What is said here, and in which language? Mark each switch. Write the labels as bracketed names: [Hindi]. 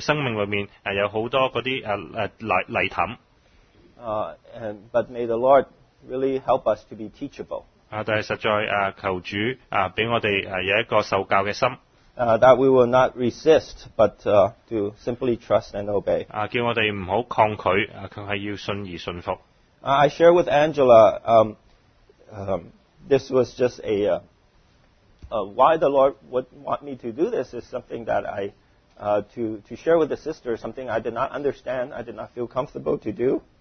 [Chinese] 但弟兄亦都交通过，可能在我们的生命里面有很多那些泥潭。 [English] But may the Lord really help us to be teachable. [Chinese] 但实在求主给我们有一个受教的心。 [English] That we will not resist, but to simply trust and obey. [Chinese] 叫我们不要抗拒，而是要顺而顺服。 [English] I share with Angela, this was just a... why the Lord would want me to do this is something that I, to share with the sister, something I did not understand, I did not feel comfortable to do.